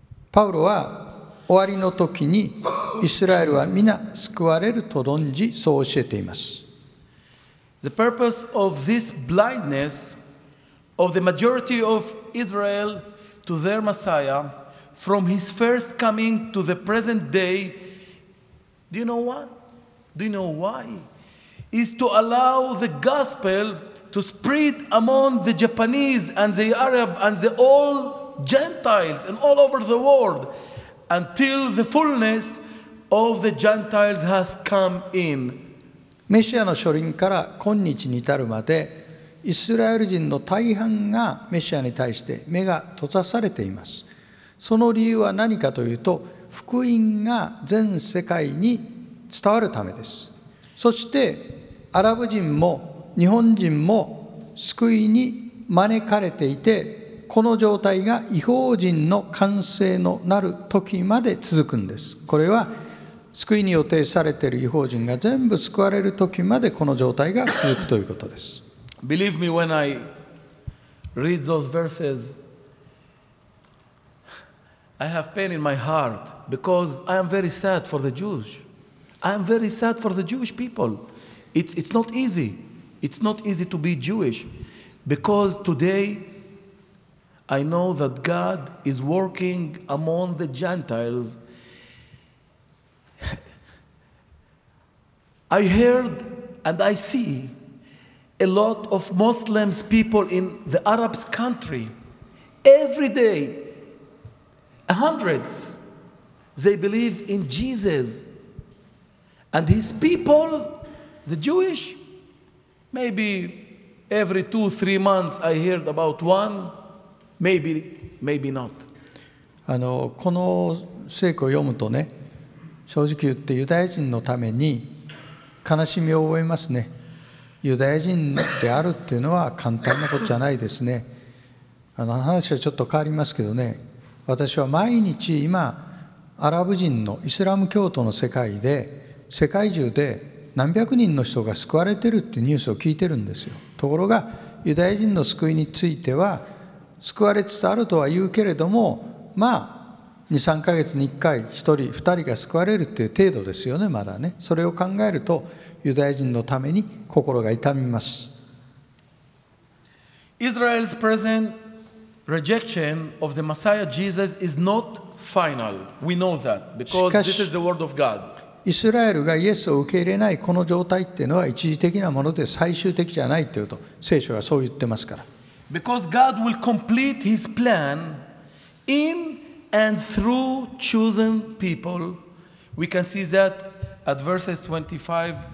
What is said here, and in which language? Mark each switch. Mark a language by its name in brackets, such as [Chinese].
[Japanese] パウロは終わりの時にイスラエルは皆救われると論じそう教えています。 [English] The purpose of this blindness of the majority of Israel to their Messiah from his first coming to the present day, do you know what? Do you know why? Is to allow the gospel to spread among the Japanese and the Arab and the all Gentiles and all over the world until the fullness of the Gentiles has come in. [Japanese] メシアの初臨から今日に至るまでイスラエル人の大半がメシアに対して目が閉ざされています。その理由は何かというと福音が全世界に伝わるためです。そしてアラブ人も日本人も救いに招かれていてこの状態が異邦人の完成のなる時まで続くんです。これは救いに予定されている異邦人が全部救われる時までこの状態が続くということです。 [English] Believe me when I read those verses, I have pain in my heart because I am very sad for the Jews. I am very sad for the Jewish people. It's not easy. It's not easy to be Jewish because today I know that God is working among the Gentiles. I heard and I see. A lot of Muslims people in the Arab country, every day, hundreds, they believe in Jesus. And his people, the Jewish, maybe every 2-3 months I heard about one, maybe not. [Japanese] この聖句を読むとね、正直言ってユダヤ人のために悲しみを覚えますね。ユダヤ人であるっていうのは簡単なことじゃないですね。話はちょっと変わりますけどね、私は毎日今アラブ人のイスラム教徒の世界で世界中で何百人の人が救われてるっていうニュースを聞いてるんですよ。ところがユダヤ人の救いについては救われつつあるとは言うけれども、まあ 2-3 ヶ月に1回1人2人が救われるっていう程度ですよね、まだね。それを考えるとユダヤ人のために心が痛みます。 [English] Israel's present rejection of the Messiah Jesus is not final. We know that because this is the word of God. [Japanese] イスラエルがイエスを受け入れないこの状態っていうのは一時的なもので最終的じゃないっていうと聖書がそう言ってますから。 [English] Because God will complete His plan in and through chosen people, we can see that at verses 25.